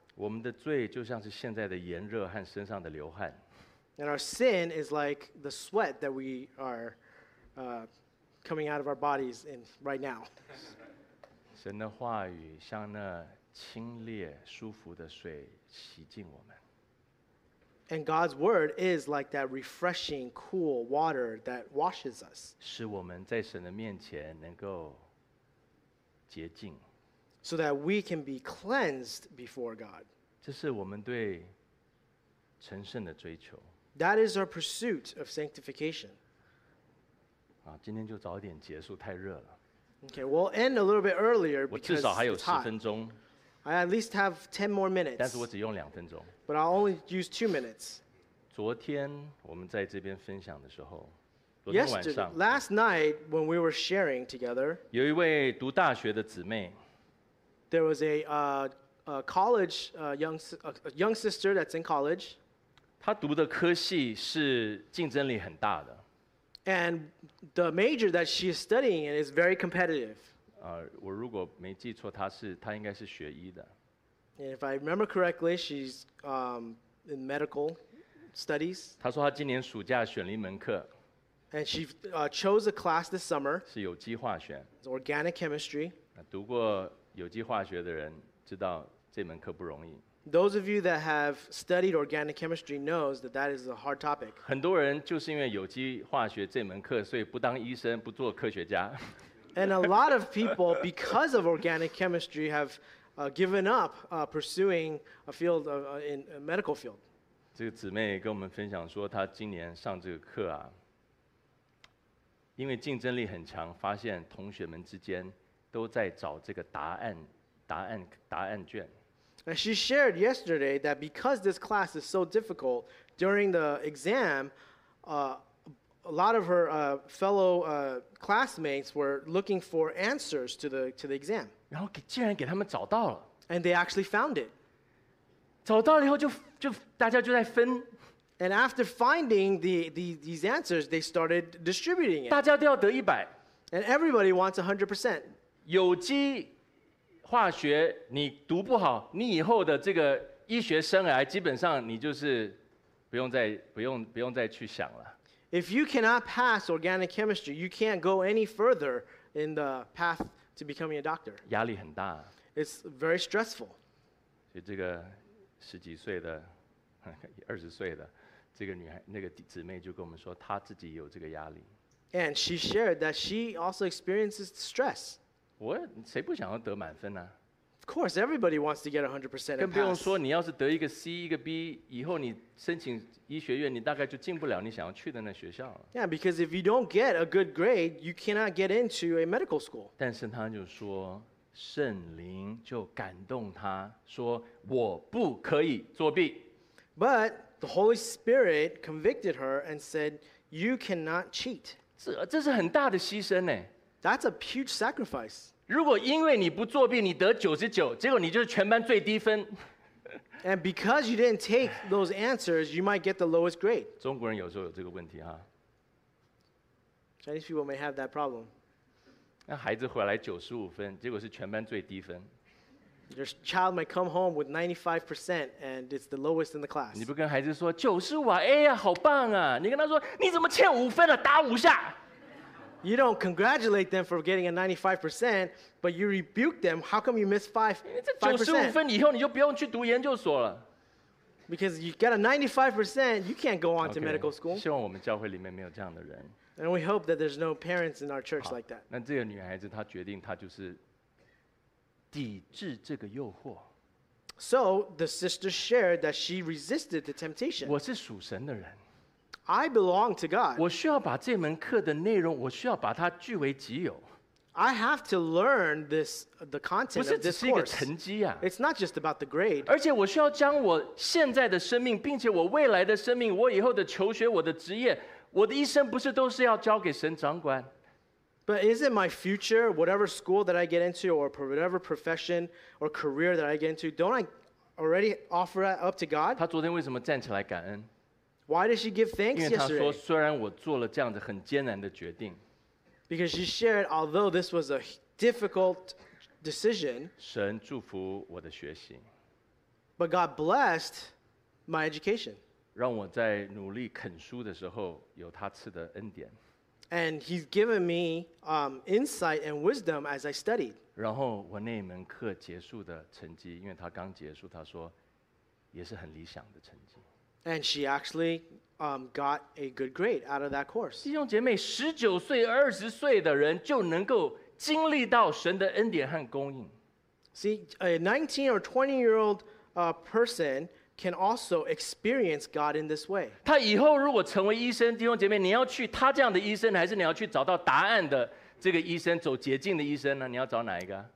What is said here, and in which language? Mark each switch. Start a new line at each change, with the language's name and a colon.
Chinese: 我们的罪就像是现在的炎热和身上的流汗。
English: And our sin is like the sweat that we are coming out of our bodies in right now.
Chinese: 神的话语像那清冽舒服的水洗净我们。
English: And God's word is like that refreshing cool water that washes us.
Chinese: 使我们在神的面前能够洁净。
English: so that we can be cleansed before God.
Chinese: 这是我们对成圣的追求。
English: That is our pursuit of sanctification.
Chinese: 啊，今天就早点结束，太热了。
English: Okay, we'll end a little bit earlier because
Chinese: 我至少还有十分钟。
English: I at least have 10 more minutes.
Chinese: 但是我只用两分钟。
English: But I'll only use 2 minutes.
Chinese: 昨天我们在这边分享的时候，昨天晚上
English: last night when we were sharing together,
Chinese: 有一位读大学的姊妹。
English: There was a college young sister that's in college.
Chinese: 她读的科系是竞争力很大的。
English: And the major that she is studying is very competitive.
Chinese: 我如果没记错，她应该是学医的。
English: And if I remember correctly, she's in medical studies.
Chinese: 她说她今年暑假选了一门课。
English: And she chose a class this summer.
Chinese: 是有机化学。
English: It's organic chemistry.
Chinese: 读过有机化学的人知道这门课不容易。
English: Those of you that have studied organic chemistry knows that that is a hard topic.
Chinese: 很多人就是因为有机化学这门课，所以不当医生，不做科学家。
English: And a lot of people, because of organic chemistry, have given up pursuing a field of, in a medical field.
Chinese: 这个姊妹跟我们分享说，她今年上这个课啊，因为竞争力很强，发现同学们之间都在找这个答案卷。
English: And she shared yesterday that because this class is so difficult during the exam, a lot of her fellow classmates were looking for answers to the exam.
Chinese: 然后竟然给他们找到了。
English: And they actually found it.
Chinese: 找到了以后就大家就在分。
English: And after finding these answers, they started distributing it.
Chinese: 大家都要得100。
English: And everybody wants 100%.
Chinese: 有机化学你读不好，你以后的这个医学生涯基本上你就是不用再去想了。
English: If you cannot pass organic chemistry, you can't go any further in the path to becoming a doctor.
Chinese: 压力很大。
English: It's very stressful.
Chinese: 所以这个十几岁的、二十岁的这个女孩，那个姊妹就跟我们说，她自己有这个压力。
English: And she shared that she also experiences stress.
Chinese: 我谁不想要得满分呢、啊、
English: ？Of course, everybody wants to get 100%.
Chinese: 更不用说你要是得一个 C 一个 B， 以后你申请医学院，你大概就进不了你想要去的那学校了。
English: Yeah, because if you don't get a good grade, you cannot get into a medical school.
Chinese: 但是他就说，圣灵就感动他说，我不可以作弊。
English: But the Holy Spirit convicted her and said, "You cannot cheat."
Chinese: 这是很大的牺牲呢。
English: That's a huge sacrifice.
Chinese: 如果因为你不作弊，你得99，结果你就是全班最低分。
English: And because you didn't take those answers, you might get the lowest grade.
Chinese: 中国人有时候有这个问题哈。
English: Chinese people may have that problem.
Chinese: 那孩子回来95分，结果是全班最低分。
English: Your child might come home with 95%, and it's the lowest in the class.
Chinese: 你不跟孩子说95啊，哎呀，好棒啊！你跟他说你怎么欠5分了、啊？打5下。
English: You don't congratulate them for getting a 95%, but you rebuke them. How come you missed 5%? Because you get a 95%, you can't go on to medical school.
Chinese: 希望我们教会里面没有这样的人。
English: And we hope that there's no parents in our church like that.
Chinese: 那这个女孩子她决定她就是抵制这个诱惑。
English: So the sister shared that she resisted the temptation.
Chinese: 我是属神的人。
English: I belong to God.
Chinese: 我需要把这门课的内容，我需要把它据为己有。
English: I have to learn this the content of this course.
Chinese: 不是只是一个成绩啊。
English: It's not just about the grade.
Chinese: 而且我需要将我现在的生命，并且我未来的生命，我以后的求学，我的职业，我的一生，不是都是要交给神掌管？
English: But is it my future, whatever school that I get into, or whatever profession or career that I get into, don't I already offer that up to God?
Chinese: 他昨天为什么站起来感恩？
English: Why did she give thanks yesterday?
Chinese: 因为她说，虽然我做了这样子很艰难的决定。
English: Because she shared, although this was a difficult decision,
Chinese: 神祝福我的学习。
English: But God blessed my education.
Chinese: 让我在努力啃书的时候有他赐的恩典。
English: And he's given me insight and wisdom as I studied.
Chinese: 然后我那门课结束的成绩，因为他刚结束，他说也是很理想的成绩。
English: And she actually got a good grade out of that course.
Chinese: 弟兄姐妹，十九岁、二十岁的人就能够经历到神的恩典和供应。
English: See, a 19 or 20 year old person can also experience God in this way.
Chinese: 他以后如果成为医生，弟兄姐妹，你要去他这样的医生，还是你要去找到答案的这个医生，走捷径的医生呢？你要找哪一个？